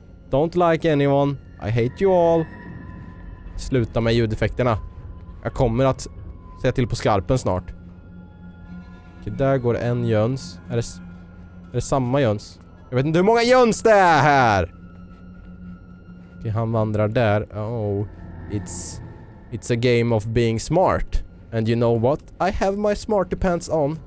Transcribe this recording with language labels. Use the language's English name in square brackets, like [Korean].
[English] Don't like anyone. I hate you all. [Swedish] Sluta med ljudeffekterna. Jag kommer att säga till på skarpen snart. Okej, där går en Jöns. Är det samma Jöns? Jag vet inte hur många Jöns det är här. Okej, han vandrar där. [English] Oh, it's a game of being smart. And you know what? I have my smarty pants on.